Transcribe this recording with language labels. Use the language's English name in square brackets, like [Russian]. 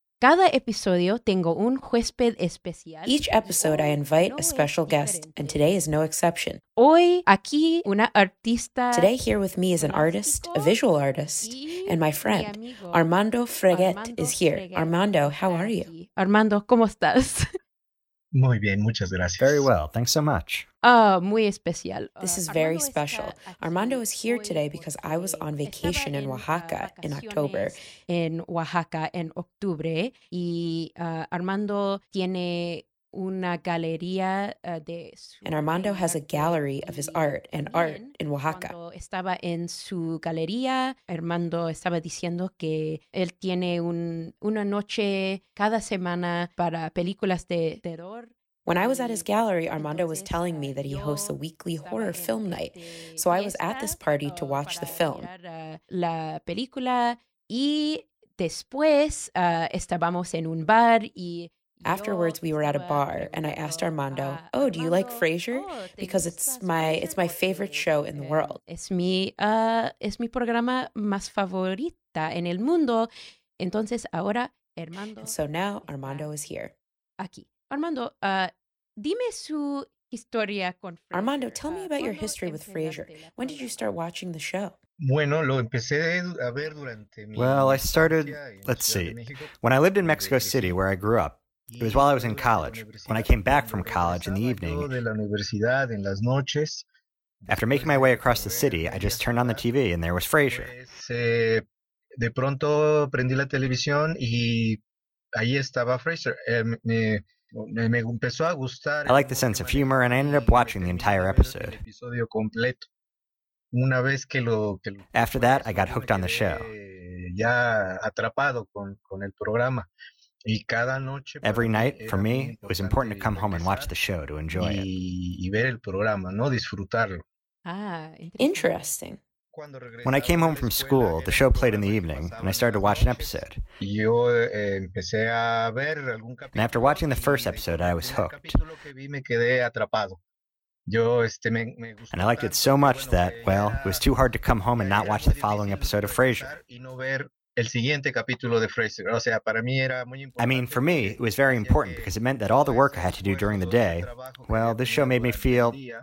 [Spanish] Cada episodio tengo un huésped especial. [English] Each episode, I invite a special guest, and today is no exception. [Spanish] Hoy aquí una artista. [English] Today here with me is an artist, a visual artist, and my friend, Armando Freguet, is here. Armando, how are you? [Spanish] Armando, ¿cómo estás? Muy bien, muchas gracias. [English] Very well, thanks so much. [Spanish] Muy especial. [English] This is very special. Armando is here today because I was on vacation in Oaxaca in October. [Spanish] En Oaxaca en octubre. Y Armando tiene una galería de [English] su and Armando has a gallery of his art and art in Oaxaca. [Spanish] Cuando estaba en su galería, Armando estaba diciendo que él tiene una noche cada semana para películas de terror. [English] When I was at his gallery, Armando was telling me that he hosts a weekly horror film night. So I was at this party to watch the film. [Spanish] La película y después estábamos en un bar y [English] afterwards, we were at a bar, and I asked Armando, oh, do you like Frasier? Because it's my favorite show in the world. [Spanish] Es mi programa más favorita en el mundo. Entonces, ahora, Armando. [English] And so now, Armando is here. [Spanish] Aquí. Armando, dime su historia con Frasier. [English] Armando, tell me about your history with Frasier. When did you start watching the show? [Spanish] Bueno, lo empecé a ver durante mi [English] Well, I started, let's see, when I lived in Mexico City, where I grew up. It was while I was in college, when I came back from college in the evening. After making my way across the city, I just turned on the TV and there was Frasier. [Spanish] De pronto prendí la televisión y ahí estaba Frasier. Me empezó a gustar. [English] I like the sense of humor and I ended up watching the entire episode. After that, I got hooked on the show. [Spanish] Ya atrapado con el programa. Y cada noche, [English] every night, for me, it was important to come home and watch the show to enjoy [Spanish] it. Y ver el programa, no disfrutarlo. [English] Interesting. When I came home from school, the show played in the evening, and I started to watch an episode. [Spanish] Yo empecé a ver algún capítulo. [English] And after watching the first episode, I was hooked. [Spanish] Me quedé atrapado. [English] And I liked it so much that, well, it was too hard to come home and not watch the following episode of Frasier. [Spanish] El siguiente capítulo de Frasier. O sea, para mí era muy importante. [English] I mean, for me, it was very important because it meant that all the work I had to do during the day, well, this show made me feel.